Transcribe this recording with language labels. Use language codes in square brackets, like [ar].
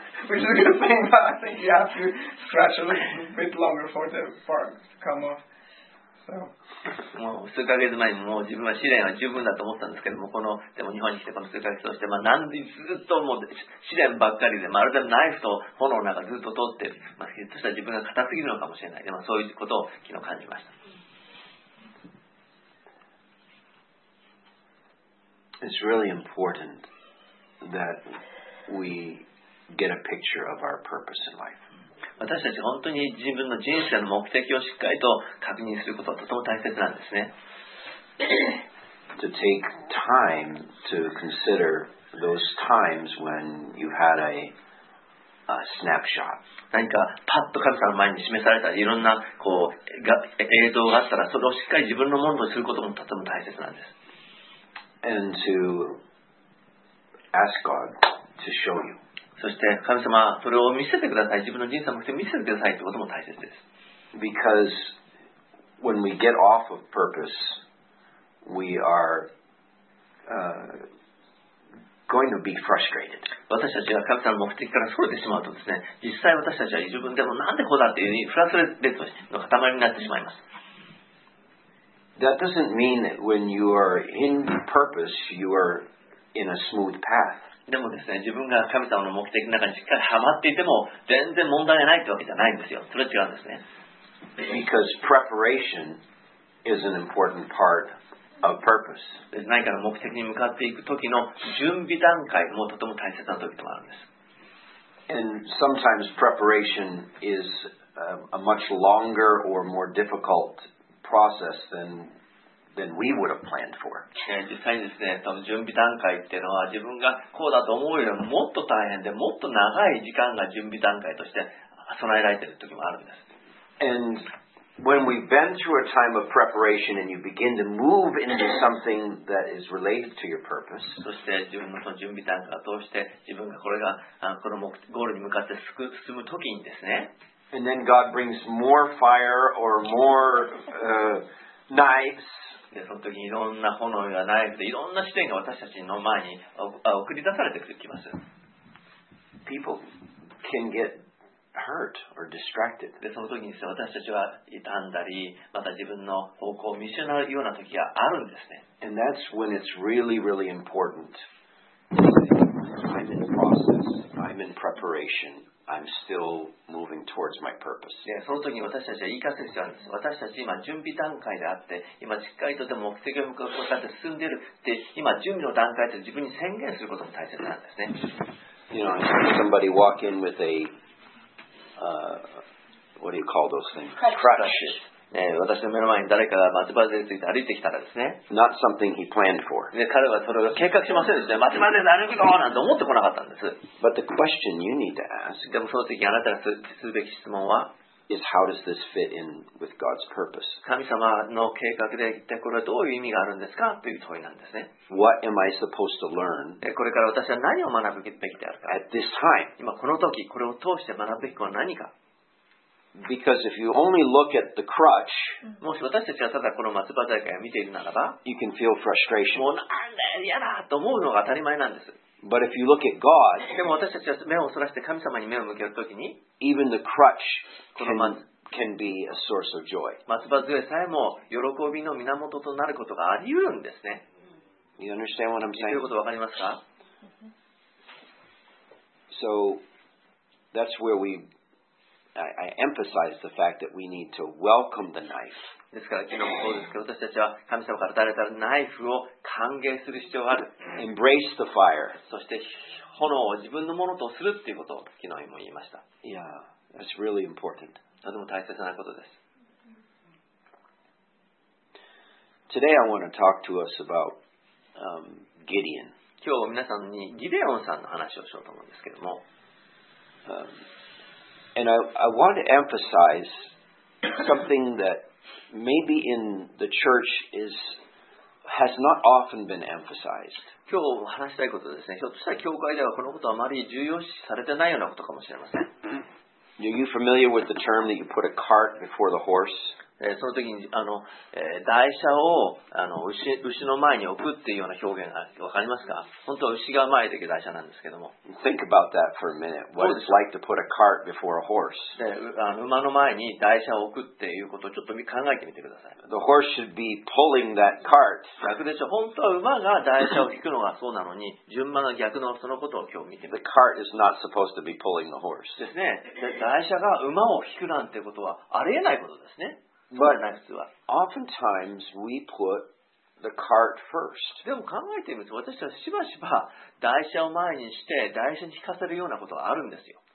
[en] Which is a good thing, but I think you have to scratch a little bit longer for the bark to come off. [ja] もう数ヶ月前にもう自分は試練は十分だと思ったんですけども、このでも日本に来てこの数ヶ月として、何でずっともう試練ばっかりで、まるでナイフと炎の中ずっと通って、ひょっとしたら自分が硬すぎるのかもしれない、でもそういうことを昨日感じました。 [en] It's really important that we get a picture of our purpose in life. [ja] 私たち本当に自分の人生の目的をしっかりと確認することはとても大切なんですね。 [en] To take time to consider those times when you had a snapshot. [ja] 何かパッと神様の前に示されたいろんなこう映像があったら、それをしっかり自分のものとすることもとても大切なんです。 [en] And to ask God to show you. [ja] そして神様、それを見せてください、自分の人生の目的を見せてくださいということも大切です。 [en] Because when we get off of purpose we are going to be frustrated. [ja] 私たちが神様の目的からそれてしまうとですね、実際私たちは自分でもなんでこうだっていうふうにフラストレーションの塊になってしまいます。 [en] That doesn't mean that when you are in purpose you are in a smooth path. [ja] でもですね、自分が神様の目的の中にしっかりハマっていても全然問題がないってわけじゃないんですよ。それは違うんですね。 [en] Because preparation is an important part of purpose. [ja] 何かの目的に向かっていく時の準備段階もとても大切な時でもあるんです。 [en] And sometimes preparation is a much longer or more difficult process than. Than we would have planned for. [ja] 実際にですね、その準備段階っていうのは自分がこうだと思うよりももっと大変で、もっと長い時間が準備段階として備えられている時もあるんです。 [en] And when we've been through a time of preparation and you begin to move into something that is related to your purpose, [ja] そして自分のその準備段階を通して自分がこれがこの目ゴールに向かって進むときにですね、 [en] and then God brings more fire or more knives. [ja] でその時にいろんな炎やナイフでいろんな試練が私たちの前に送り出されてきます。 [en] People can get hurt or distracted. [ja] でその時にですね、私たちは傷んだり、また自分の方向を見失うような時があるんですね。 [en] And that's when it's really, really important. I'm in process. I'm in preparation. I'm still moving towards my purpose. [ja] Yeah, その時に私たちは言い聞かせてるんです。私たち今準備段階であって、今しっかりとでも目的を向かって進んでいるって、今準備の段階で自分に宣言することも大切なんですね。 [en] You know, somebody walk in with a, what do you call those things? Crutches. [ja] 私の目の前に誰かが松葉杖について歩いてきたらですね。 [en] Not something he planned for. [ja] 彼はそれを計画しませんでした。松葉杖で歩くぞなんて思ってこなかったんです。 [en] But the question you need to ask, [ja] でもその時あなたがするべき質問は、 [en] is how does this fit in with God's purpose? [ja] 神様の計画で一体これはどういう意味があるんですかという問いなんですね。 [en] What am I supposed to learn? [ja] これから私は何を学ぶべきであるか。 [en] At this time. [ja] 今この時、これを通して学ぶべきは何か。 [en] Because if you only look at the crutch, [ja] もし私たちがただこの松葉杖を見ているならば、 [en] you can feel frustration. [ja] もうなんだやだと思うのが当たり前なんです。 [en] But if you look at God, [ja] でも私たちが目をそらして神様に目を向けるときに、 [en] even the crutch can be a source of joy. [ja] 松葉杖さえも喜びの源となることがあり得るんですね。 [en] You understand what I'm saying? [ja] どういうことわかりますか [en] ？So that's where we. I emphasize the fact that we need to welcome the knife. [ja] ですから昨日もそうですけど、私たちは神様から与えたナイフを歓迎する必要がある。 [en] Embrace the fire. [ja] そして炎を自分のものとするっていうことを昨日も言いました。 [en] Yeah, that's really important. [ja] とても大切なことです。 [en] Today I want to talk to us about Gideon. [ja] 今日皆さんにギデオンさんの話をしようと思うんですけども。 [en] And I want to emphasize something that maybe in the church has not often been emphasized. [ja] 今日話したいことですね。ひょっとしたら教会ではこのことはあまり重要視されてないようなことかもしれません。 [en] Are you familiar with the term that you put a cart before the horse? [ja] その時に台車を牛の前に置くっていうような表現がわかりますか？本当は牛が前で行く台車なんですけども。 [en] Think about that for a minute. What it's like to put a cart before a horse. [ja] 馬の前に台車を置くっていうことをちょっと考えてみてください。 [en] The horse should be pulling that cart. [ja] 逆でしょ。本当は馬が台車を引くのがそうなのに、順番が逆のそのことを今日見てみて。 [en] The cart is not supposed to be pulling the horse. [ja] ですね。台車が馬を引くなんてことはありえないことですね。 But oftentimes we put the cart first. でも考えてみると、私たちはしばしば台車を前にして台車に引かせるようなことがあるんですよ。